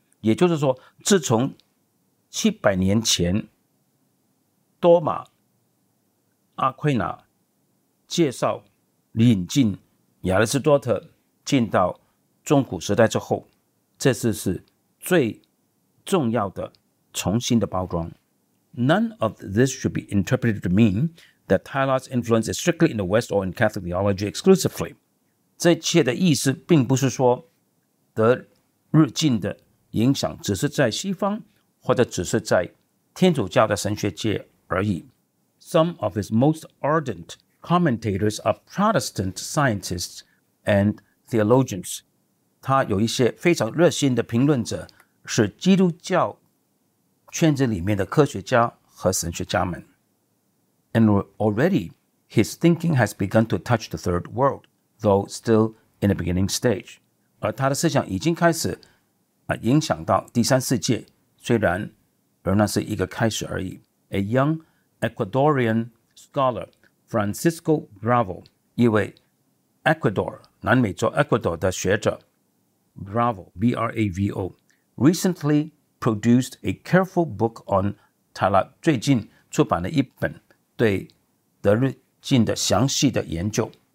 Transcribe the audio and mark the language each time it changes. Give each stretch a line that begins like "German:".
Chinese: 也就是说，自从700年前多马阿奎那介绍引进亚里士多德进到中古时代之后，这次是最重要的重新的包装。
English: None of this should be interpreted to mean that Teilhard's influence is strictly in the West or in Catholic theology exclusively.
Chinese: 这一切的意思并不是说德日进的影响只是在西方或者只是在天主教的神学界而已。
English: Some of his most ardentCommentators are Protestant scientists and theologians.
Chinese: 他有一些非常热心的评论者是基督教圈子里面的科学家和神学家们。
English: And already, his thinking has begun to touch the third world, though still in the beginning stage.
Chinese: 而他的思想已经开始影响到第三世界，虽然仍然是一个开始而已。
English: A young Ecuadorian scholar,Francisco Bravo,
Chinese: 一位 Ecuador, 南美洲 Ecuador 的学者 Bravo,
English: B-R-A-V-O, recently produced a careful book on Teilhard,
Chinese: 最近出版了一本对德日进的详细的研究